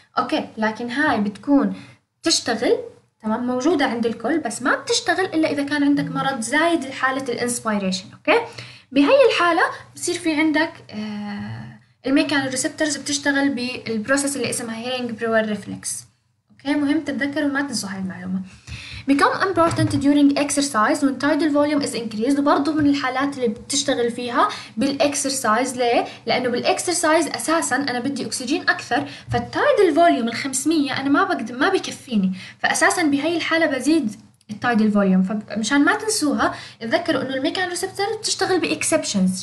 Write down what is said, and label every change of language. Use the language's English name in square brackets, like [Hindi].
[Arabic] اوكي, لكن هاي بتكون تشتغل تمام موجودة عند الكل, بس ما بتشتغل الا اذا كان عندك مرض زايد لحالة الانسبيريشن. اوكي, بهي الحالة بصير في عندك الميكانو ريسبترز بتشتغل بالبروسس اللي اسمها هيرينج بروور ريفلكس. اوكي, مهم تتذكر وما تنسوا هاي المعلومة. [English] become important during exercise when tidal volume is increased. [Arabic] برضو من الحالات اللي بتشتغل فيها بالاكسرسايز. ليه؟ لانه بالاكسرسايز اساسا انا بدي اكسجين اكثر, فالتايدل فوليوم ال 500 انا ما بكفيني, فاساسا بهي الحالة بزيد التايدل فوليوم. فمشان ما تنسوها اتذكروا انه الميكانو ريسبتر بتشتغل باكسبشنز.